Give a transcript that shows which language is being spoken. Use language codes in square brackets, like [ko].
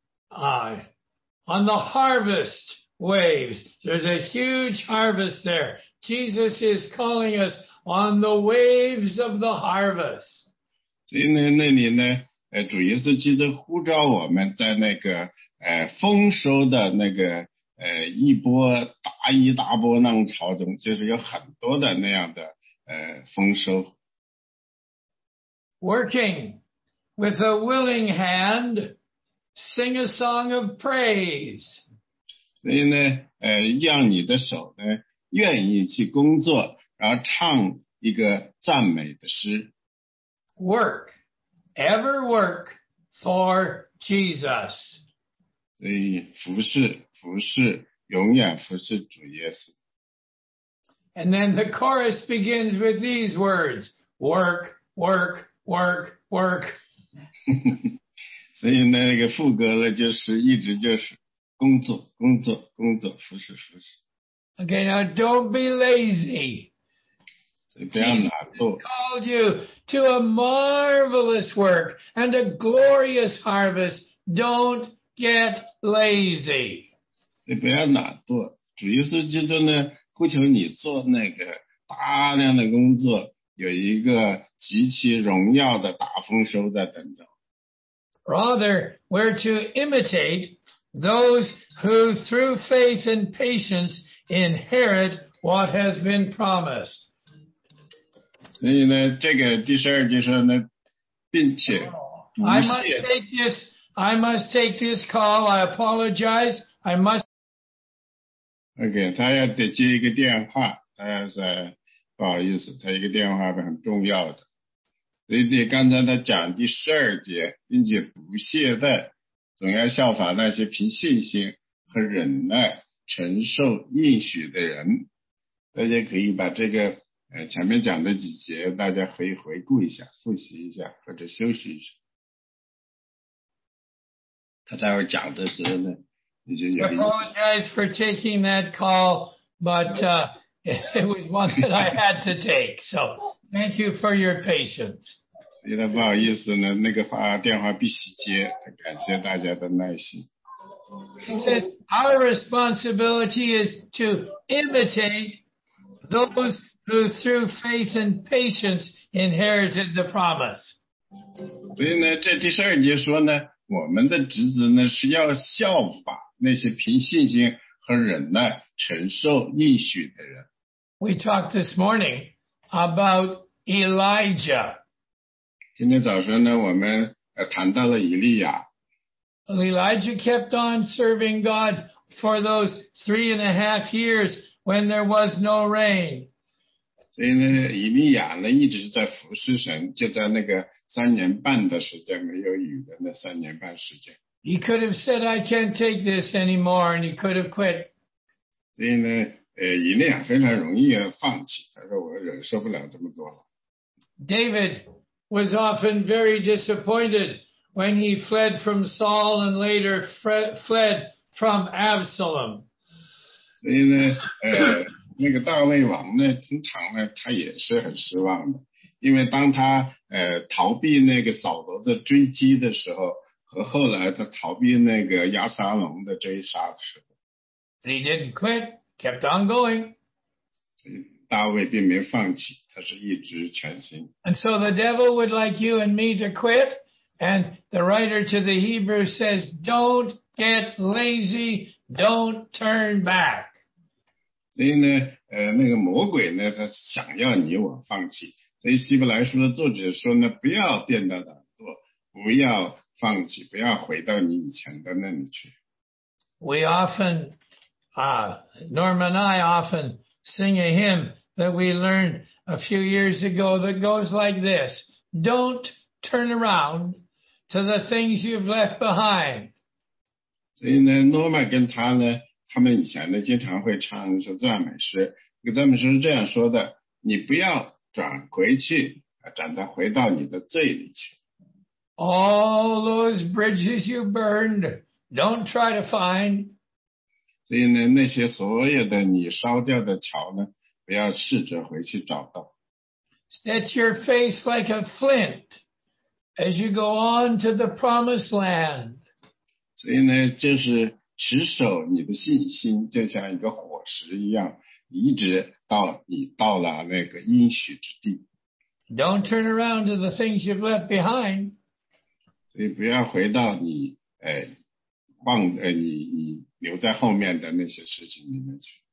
[en] On the harvest waves, there's a huge harvest there. Jesus is calling us on the waves of the harvest. [zh] 所以呢，那里呢，主耶稣基督呼召我们在那个丰收的那个一波大一大波浪潮中，就是有很多的那样的丰收。 [en] Working. With a willing hand, sing a song of praise. [zh] 所以呢，让你的手呢，愿意去工作，然后唱一个赞美的诗。 [en] Work, ever work for Jesus. [zh] 所以服侍，服侍，永远服侍主耶稣。 [en] And then the chorus begins with these words, work, work, work, work. [zh] 所以那个副歌呢，就是一直就是工作、工作、工作，服侍、服侍。 [en] Okay, now don't be lazy. [zh] 所以不要懒惰。 [en] Jesus called you to a marvelous work and a glorious harvest. Don't get lazy. [zh] 你不要懒惰，主耶稣基督呢，呼求你做那个大量的工作，有一个极其荣耀的大丰收在等着。 [en] Rather, we're to imitate those who through faith and patience inherit what has been promised. [zh] 所以呢，这个第十二节说呢，并且不懈。 [en] I must take this call. I apologize. I must. [zh] Okay, 他要得接一个电话，他要是不好意思，他一个电话很重要的。所以刚才他讲第十二节，并且不懈怠，总要效法那些凭信心和忍耐承受应许的人。大家可以把这个前面讲的几节，大家可以回顾一下，复习一下，或者休息一下。他待会讲的时候呢，已经有。 [en] I apologize for taking that call, but it was one that I had to take. So thank you for your patience. [zh] 因为不好意思呢，那个电话必须接，感谢大家的耐心。 [en] He says our responsibility is to imitate those who through faith and patience inherited the promise. [zh] 所以呢，这第十二节说呢，我们的职责呢是要效法那些凭信心和忍耐承受应许的人。 [en] We talked this morning about Elijah. [zh] 今天早上呢，我们谈到了以利亚。 [en] Elijah kept on serving God for those 3.5 years when there was no rain. [zh] 所以呢，以利亚呢一直在服侍神，就在那个3.5年的时间，没有雨的那3.5年时间。 [en] He could have said, I can't take this anymore, and he could have quit. [zh] 所以呢，以利亚非常容易放弃，他说我忍受不了这么多了。 [en] David was often very disappointed when he fled from Saul and later fled from Absalom. [zh] 所以呢，那个大卫王呢，通常呢，他也是很失望的，因为当他逃避那个扫罗的追击的时候，和后来他逃避那个亚撒龙的追杀的时候。 [en] But he didn't quit, kept on going. [zh] 所以大卫并没放弃，他是一直前行。 [en] And so the devil would like you and me to quit. And the writer to the Hebrews says, don't get lazy, don't turn back. [zh] 所以呢，那个魔鬼呢，他想要你我放弃。所以希伯来书的作者说呢，不要变得懒惰，不要放弃，不要回到你以前的那里去。 [en] We often, Norm and I often sing a hymn that we learned a few years ago that goes like this. Don't turn around. To the things you've left behind. [zh] 所以呢，诺曼跟他呢，他们以前呢经常会唱一首赞美诗。这个赞美诗是这样说的：你不要转回去，转到回到你的罪里去。 [en] All those bridges you burned, don't try to find. [zh] 所以呢，那些所有的你烧掉的桥呢，不要试着回去找到。 [en] Set your face like a flint. As you go on to the promised land. [zh] 所以呢，就是持守你的信心，就像一个火石一样，一直到你到了那个应许之地。 [en] Don't turn around to the things you've left behind. [zh] 所以不要回到你，你留在后面的那些事情里面去。